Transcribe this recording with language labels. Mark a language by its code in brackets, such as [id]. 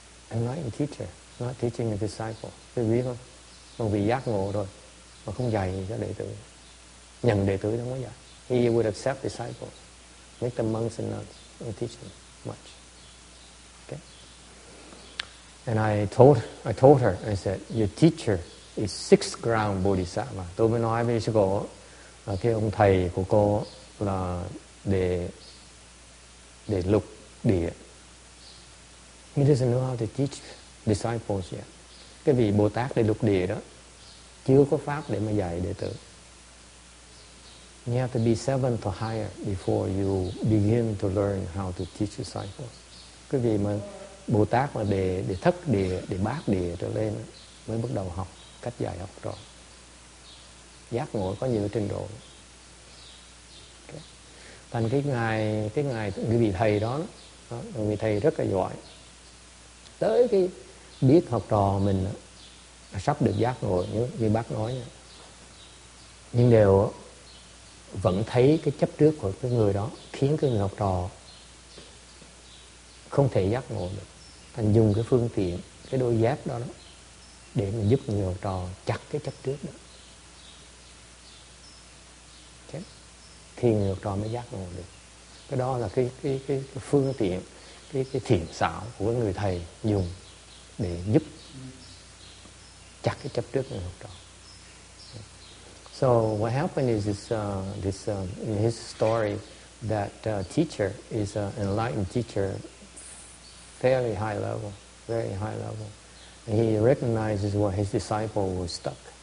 [en] Enlightened teacher, not teaching a disciple. [vi] Tôi biết không? Một vị giác ngộ rồi, mà không dạy gì cho đệ tử. Nhận đệ tử không có dạy. [en] He would accept disciples, make them monks and nuns, and teach them much. Okay? And I told her, I said, your teacher is sixth ground bodhisattva. [vi] Tôi mới nói với sư cô, cái ông thầy của cô là để lục địa. [en] He doesn't know how to teach disciples yet. [vi] Cái vị Bồ Tát để lục địa đó chưa có pháp để mà dạy đệ tử. [en] You have to be seventh or higher before you begin to learn how to teach disciples. [vi] Cái vị mà Bồ Tát mà để thất địa, để bát địa trở lên mới bắt đầu học cách dạy học rồi. Giác ngộ có nhiều trình độ. Okay. Thành cái vị thầy đó, vị thầy rất là giỏi. Tới cái biết học trò mình sắp được giác ngộ như bác nói nha. Nhưng đều vẫn thấy cái chấp trước của cái người đó khiến cái người học trò không thể giác ngộ được. Thành dùng cái phương tiện, cái đôi dép đó để mình giúp người học trò chặt cái chấp trước đó. thì người học trò mới giác ngộ được. Cái đó là cái phương tiện, cái thiện xảo của người thầy dùng để giúp chặt cái chấp trước người học trò. [en] So what happened is in his story that teacher is an enlightened teacher, fairly high level, very high level. And he recognizes what his disciple was stuck.